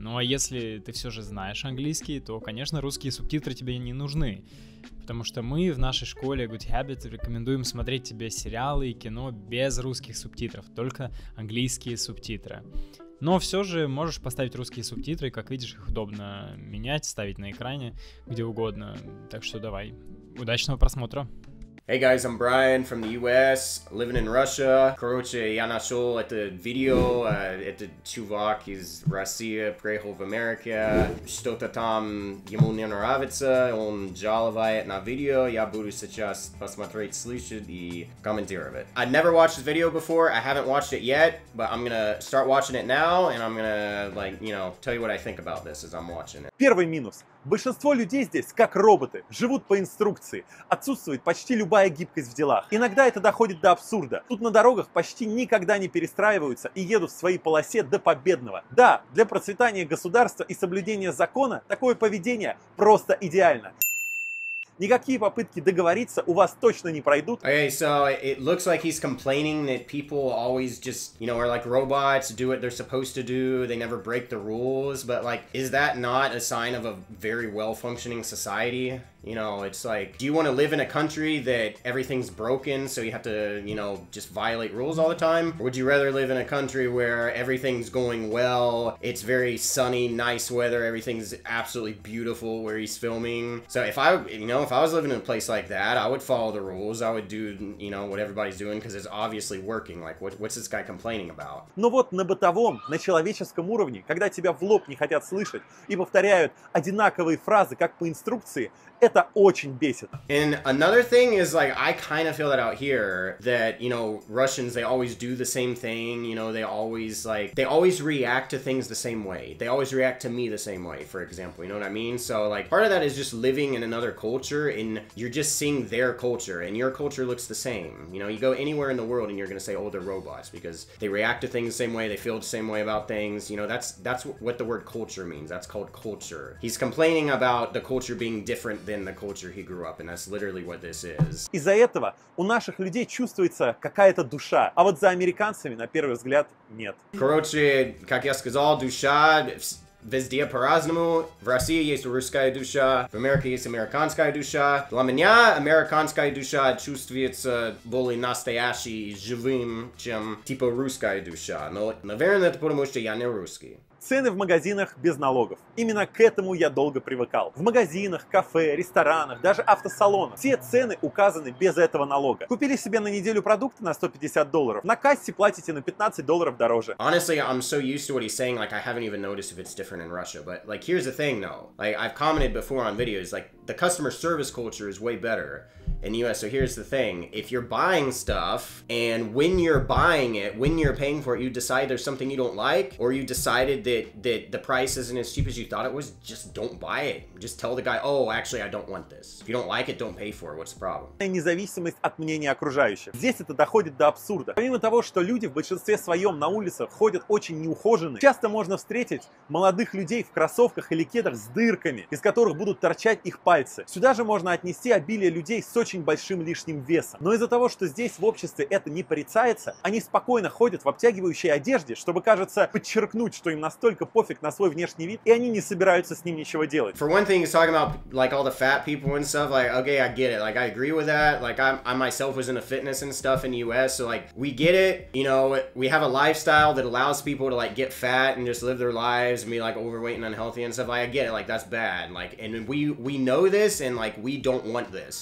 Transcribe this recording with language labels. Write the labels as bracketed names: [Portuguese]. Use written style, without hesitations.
[Russian] Ну а если ты все же знаешь английский, то, конечно, русские субтитры тебе не нужны, потому что мы в нашей школе Good Habits рекомендуем смотреть тебе сериалы и кино без русских субтитров, только английские субтитры. Но все же можешь поставить русские субтитры, как видишь, их удобно менять, ставить на экране, где угодно. Так что давай, удачного просмотра! [English] Hey guys, I'm Brian from the US, living in Russia. [Russian] Короче, я нашел это видео, это чувак из России, приехал в Америку. Что-то там ему не нравится, он жалует на видео. Я буду сейчас посмотреть, слышать и комментировать. [English] I never watched this video before, I haven't watched it yet, but I'm gonna start watching it now, and I'm gonna, like, you know, tell you what I think about this as I'm watching it. [Russian] Первый минус. Большинство людей здесь, как роботы, живут по инструкции. Отсутствует почти любая гибкость в делах. Иногда это доходит до абсурда. Тут на дорогах почти никогда не перестраиваются и едут в своей полосе до победного. Да, для процветания государства и соблюдения закона такое поведение просто идеально. Никакие попытки договориться у вас точно не пройдут. [English] Okay, so it looks like he's complaining that people always just, you know, are like robots, do what they're supposed to do, they never break the rules, but like, is that not a sign of a very well-functioning society? You know, it's like, do you want to live in a country that everything's broken, so you have to, you know, just violate rules all the time? Or would you rather live in a country where everything's going well, it's very sunny, nice weather, everything's absolutely beautiful where he's filming? So if I, you know, if I was living in a place like that, I would follow the rules, I would do, you know, what everybody's doing, because it's obviously working. Like, what's this guy complaining about? [Russian] Но вот на бытовом, на человеческом уровне, когда тебя в лоб не хотят слышать и повторяют одинаковые фразы, как по инструкции, это очень бесит. [English] And another thing is, like, I kind of feel that out here, that, you know, Russians, they always do the same thing, you know, they always, like, they always react to things the same way. They always react to me the same way, for example, you know what I mean? So, like, part of that is just living in another culture, and you're just seeing their culture, and your culture looks the same. You know, you go anywhere in the world, and you're gonna say, oh, they're robots, because they react to things the same way, they feel the same way about things, you know, that's what the word culture means. That's called culture. He's complaining about the culture being different than the culture he grew up in. That's literally what this is. [Russian] Из-за этого у наших людей чувствуется какая-то душа, а вот за американцами, на первый взгляд, нет. Короче, как я сказал, душа везде по-разному. В России есть русская душа, в Америке есть американская душа. Для меня американская душа чувствуется более настоящей и живым, чем типа русская душа. Но, наверное, это потому, что я не русский. Цены в магазинах без налогов. Именно к этому я долго привыкал. В магазинах, кафе, ресторанах, даже автосалонах. Все цены указаны без этого налога. Купили себе на неделю продукты на $150. На кассе платите на $15 дороже. [English] Honestly, I'm so used to what he's saying, like, I haven't even noticed if it's different in Russia. But, like, here's the thing, though. Like, I've commented before on videos, like, the customer service culture is way better in the US. So here's the thing. If you're buying stuff, and when you're buying it, when you're paying for it, you decide there's something you don't like, or you decided that the price isn't as cheap as you thought it was, just don't buy it. Just tell the guy, oh, actually, I don't want this. If you don't like it, don't pay for it. What's the problem? [Russian] Независимость от мнения окружающих. Здесь это доходит до абсурда. Помимо того, что люди в большинстве своем на улицах ходят очень неухоженные, часто можно встретить молодых людей в кроссовках или кедах с дырками, из которых будут торчать их пальцы. Сюда же можно отнести обилие людей с очень большим лишним весом. Но из-за того, что здесь в обществе это не порицается, они спокойно ходят в обтягивающей одежде, чтобы, кажется, подчеркнуть, что им настолько пофиг на свой внешний вид, и они не собираются с ним ничего делать. [English] For one thing, he's talking about, like, all the fat people and stuff, like, okay, I get it, like, I agree with that, like, I myself was in a fitness and stuff in the US, so, like, we get it, you know, we have a lifestyle that allows people to, like, get fat and just live their lives and be, like, overweight and unhealthy and stuff, like, I get it, like, that's bad, like, and we know this, and, like, we don't want this.